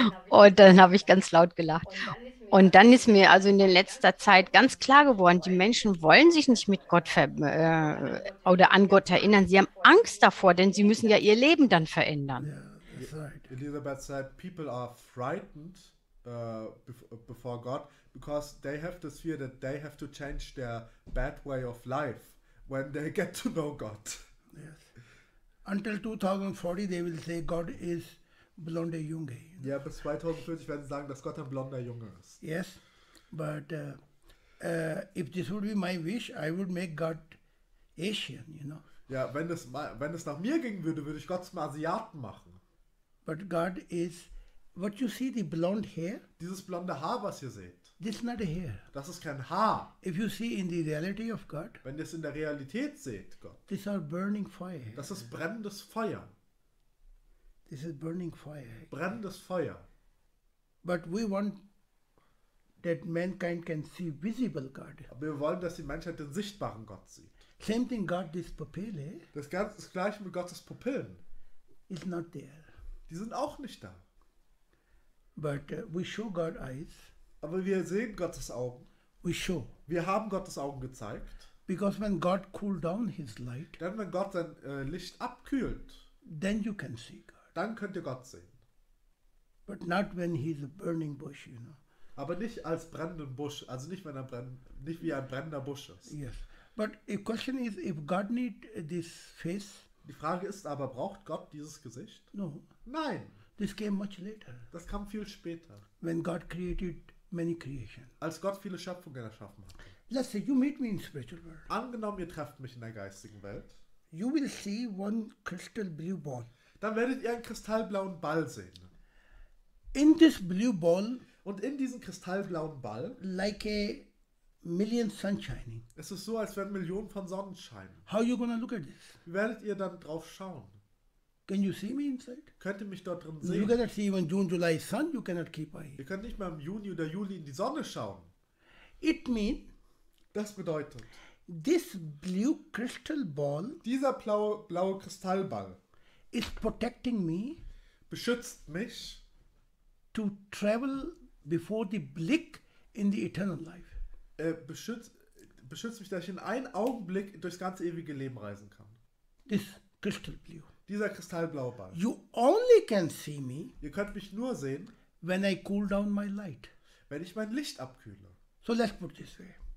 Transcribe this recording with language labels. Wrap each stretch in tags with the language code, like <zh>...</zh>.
<de>Und dann habe ich ganz laut gelacht. Und dann ist mir also in letzter Zeit ganz klar geworden, die Menschen wollen sich nicht mit Gott oder an Gott erinnern. Sie haben Angst davor, denn sie müssen ja ihr Leben dann verändern.</de> <en>Elisabeth said, people are frightened before God. Because they have this fear that they have to change their bad way of life when they get to know God. Yes. Until 2040 they will say God is</en> <de>blonder Junge. Ja, yeah, bis 2040 werden sie sagen, dass Gott ein blonder Junge ist.</de> <en>Yes, but if this would be my wish, I would make God Asian, you know.</en> <de>Ja, wenn es nach mir gehen würde, würde ich Gott zum Asiaten machen.</de> <en>But God is, what you see, the blonde hair.</en> <de>Dieses blonde Haar, was ihr seht.</de> <en>This is not a hair.</en> <de>Das ist kein Haar.</de> <en>If you see in the reality of God,</en> <de>wenn ihr es in der Realität seht, Gott.</de> <en>This are burning fire.</en> <de>Das ist brennendes Feuer.</de> <en>This is burning fire.</en> <de>Brennendes Feuer.</de> <en>But we want that mankind can see visible God.</en> <de>Aber wir wollen, dass die Menschheit den sichtbaren Gott sieht.</de> <en>Same thing God this pupille.</en> <de>Das ganze ist gleich mit Gottes Pupillen.</de> <en>Is not there.</en> <de>Die sind auch nicht da.</de> <en>But we show God eyes.</en> <de>Aber wir sehen Gottes Augen.</de> <en>We show.</en> <de>Wir haben Gottes Augen gezeigt.</de> <en>Because when God cooled down his light,</en> <de>denn wenn Gott sein Licht abkühlt,</de> <en>then you can see God.</en> <de>Dann könnt ihr Gott sehen.</de> <en>But not when he's a burning bush, you know.</en> <de>Aber nicht als brennenden Busch, also nicht wenn er brennt, nicht wie ein brennender Busch ist.</de> <en>Yes. But the question is, if God need this face?</en> <de>Die Frage ist aber, braucht Gott dieses Gesicht?</de> <en>No.</en> <de>Nein.</de> <en>This came much later.</en> <de>Das kam viel später.</de> <en>When God created many creation.</en> <de>Als Gott viele Schöpfungen erschaffen hat.</de> <en>Let's say you meet me in spiritual world.</en> <de>Angenommen, ihr trefft mich in der geistigen Welt.</de> <en>You will see one crystal blue ball.</en> <de>Dann werdet ihr einen kristallblauen Ball sehen.</de> <en>In this blue ball.</en> <de>Und in diesem kristallblauen Ball.</de> <en>Like a million sun shining.</en> <de>Es ist so, als wären Millionen von Sonnen scheinen.</de> <en>How you gonna look at this?</en> <de>Wie werdet ihr dann drauf schauen?</de> <en>Can you see me inside?</en> <de>Könnt ihr mich dort drin sehen?</de> <en>You cannot see even June, July sun. You cannot keep eye.</en> <de>Ihr könnt nicht mal im Juni oder Juli in die Sonne schauen.</de> <en>It mean.</en> <de>Das bedeutet.</de> <en>This blue crystal ball.</en> <de>Dieser blaue Kristallball.</de> <en>Is protecting me.</en> <de>Beschützt mich.</de> <en>To travel before the blick in the eternal life.</en> <de>Beschützt mich, dass ich in einen Augenblick durchs ganze ewige Leben reisen kann.</de> <en>This crystal blue.</en> <de>Dieser kristallblaue Ball.</de> <en>You only can see me.</en> <de>Ihr könnt mich nur sehen.</de> <en>When I cool down my light.</en> <de>Wenn ich mein Licht abkühle.</de> <en>So let's put this way.</en>